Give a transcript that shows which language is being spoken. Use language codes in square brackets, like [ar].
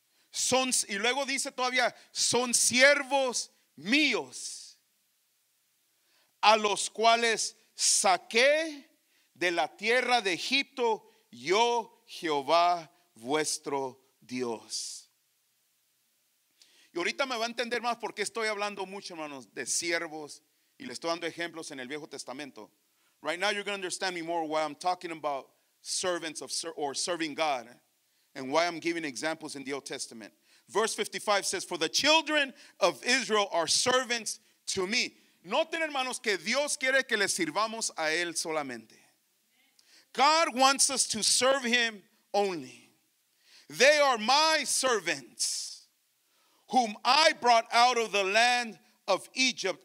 [es] Son, y luego dice todavía, son siervos míos, a los cuales saqué de la tierra de Egipto, yo Jehová vuestro Dios. Y ahorita me va a entender más porque estoy hablando mucho, hermanos, de siervos y le estoy dando ejemplos en el Viejo Testamento. [en] Right now you're going to understand me more why I'm talking about servants of or serving God and why I'm giving examples in the Old Testament. Verse 55 says, for the children of Israel are servants to me. [es] Noten, hermanos, que Dios quiere que le sirvamos a Él solamente. [en] God wants us to serve Him only. They are my servants, whom I brought out of the land of Egypt.